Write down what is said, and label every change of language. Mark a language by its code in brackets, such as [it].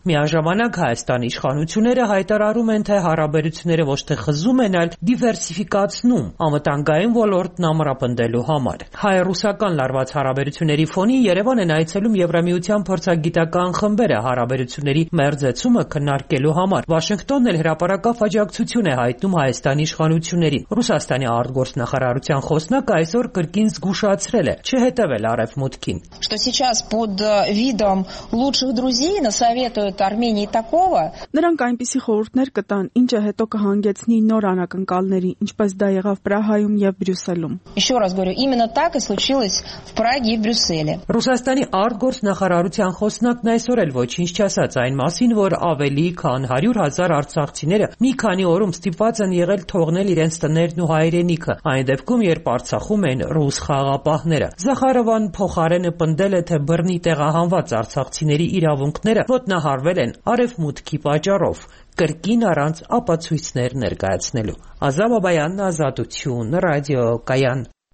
[hy] Միաժամանակ Հայաստանի իշխանությունները հայտարարում են, թե հարաբերությունները ոչ թե խզում են, այլ դիվերսիֆիկացնում անվտանգային ոլորտն ամրապնդելու համար։ Հայ-ռուսական լարված հարաբերությունների ֆոնին Երևանն այցելում Եվրամիության փորձագիտական խմբերը հարաբերությունների մերձեցումը քննարկելու համար։ Վաշինգտոնն էլ հրապարակավ աջակցություն է հայտնում Հայաստանի իշխանություններին։ Ռուսաստանի արտգործնախարարության խոսնակը այսօր կրկին զգուշացրել է, չհետևել արևմուտքին։ [ru] Что сейчас под видом лучших друзей насоветуют Армении такого? [hy] Նրանք այնպիսի խորհուրդներ կտան, ինչը հետո կհանգեցնի նոր անակնկալների, ինչպես դա եղավ Պրահայում եւ Բրյուսելում։ [ru] Ещё раз говорю, именно так и случилось в Праге и в Брюсселе։ [hy] Ռուսաստանի արտգործնախարարության խոսնակն այսօր էլ ոչինչ չասաց այն մասին, որ ավելի քան 100,000 արցախցիները մի քանի օրում ստիպված են եղել թողնել իրենց տներն ու հայրենիքը, այն դեպքում, երբ Արցախում են ռուս խաղապահները։ Զախարովան փոխարենը պնդել է, թե բռնի տեղահանված արցախցիների իրավունքները ոտնահարվել են արևմուտքի պատճառով, կրկին առանց ապացույցներ ներկայացնելու։ Ազամաբայան, Ազատություն, Ռադիո Կայան։